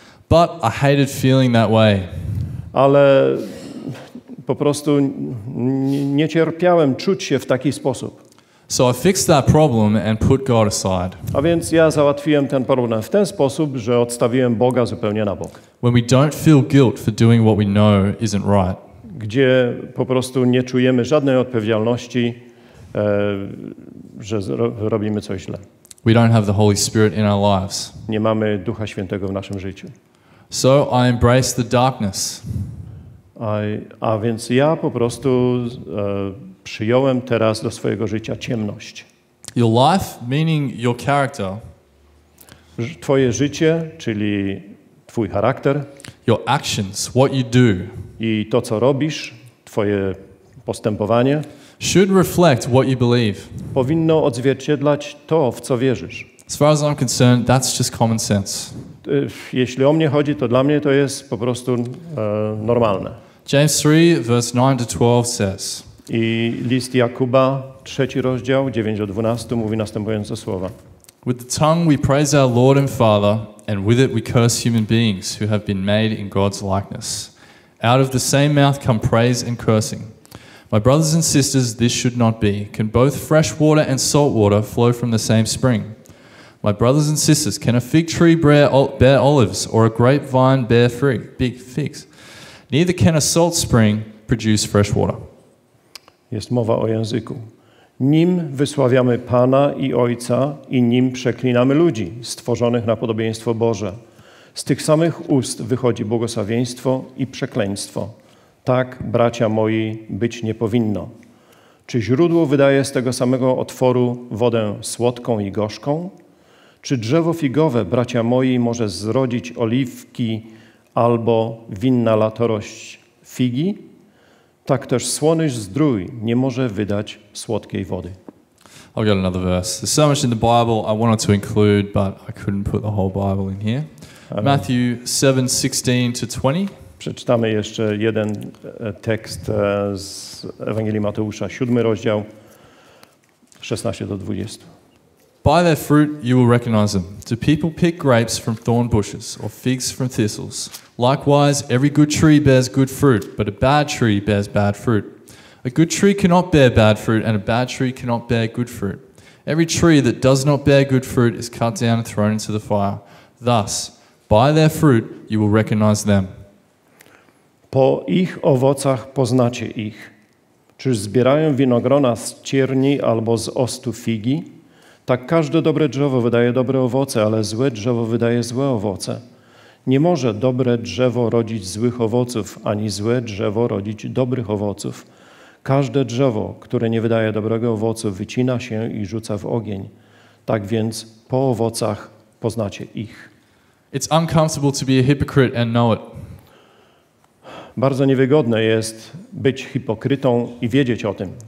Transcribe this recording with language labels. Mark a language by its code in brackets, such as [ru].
[en] But I hated feeling that way. [pl] Ale po prostu nie cierpiałem czuć się w taki sposób. [en] So I fixed that problem and put God aside. [pl] A więc ja załatwiłem ten problem w ten sposób, że odstawiłem Boga zupełnie na bok. [en] When we don't feel guilt for doing what we know isn't right. [pl] Gdzie po prostu nie czujemy żadnej odpowiedzialności, że robimy coś źle. [en] We don't have the Holy Spirit in our lives. [pl] Nie mamy Ducha Świętego w naszym życiu. [en] So I embrace the darkness. [pl] A więc ja po prostu przyjąłem teraz do swojego życia ciemność. [en] Your life, meaning your character. [pl] Twoje życie, czyli twój charakter. [en] Your actions, what you do. [pl] I to, co robisz, twoje postępowanie. [en] Should reflect what you believe. [pl] Powinno odzwierciedlać to, w co wierzysz. [en] As far as I'm concerned, that's just common sense. [pl] Jeśli o mnie chodzi, to dla mnie to jest po prostu normalne. [en] James 3, verse 9 to 12 says. [pl] I list Jakuba, 3 rozdział, 9 do 12, mówi następujące słowa. [en] With the tongue we praise our Lord and Father, and with it we curse human beings who have been made in God's likeness. Out of the same mouth come praise and cursing. My brothers and sisters, this should not be. Can both fresh water and salt water flow from the same spring? My brothers and sisters, can a fig tree bear olives or a grapevine bear figs? Neither can a salt spring produce fresh water. [pl] Jest mowa o języku. Nim wysławiamy Pana i Ojca i nim przeklinamy ludzi stworzonych na podobieństwo Boże. Z tych samych ust wychodzi błogosławieństwo i przekleństwo. Tak, bracia moi, być nie powinno. Czy źródło wydaje z tego samego otworu wodę słodką i gorzką? Czy drzewo figowe, bracia moi, może zrodzić oliwki albo winna latorość figi? Tak też słonecz zdrój nie może wydać słodkiej wody. [en] I've got another verse. There's so much in the Bible I wanted to include, but I couldn't put the whole Bible in here. Matthew 7:16-20. [pl] Przeczytamy jeszcze jeden tekst z Ewangelii Mateusza, 7 rozdział, 16-20. [en] By their fruit you will recognize them. Do people pick grapes from thorn bushes or figs from thistles? Likewise, every good tree bears good fruit, but a bad tree bears bad fruit. A good tree cannot bear bad fruit, and a bad tree cannot bear good fruit. Every tree that does not bear good fruit is cut down and thrown into the fire. Thus, by their fruit you will recognize them. [pl] Po ich owocach poznacie ich. Czy zbierają winogrona z cierni albo z ostu figi? Tak każde dobre drzewo wydaje dobre owoce, ale złe drzewo wydaje złe owoce. Nie może dobre drzewo rodzić złych owoców, ani złe drzewo rodzić dobrych owoców. Każde drzewo, które nie wydaje dobrego owocu, wycina się i rzuca w ogień. Tak więc po owocach poznacie ich. [en] It's uncomfortable to be a hypocrite and know it. [pl] Bardzo niewygodne jest być hipokrytą i wiedzieć o tym.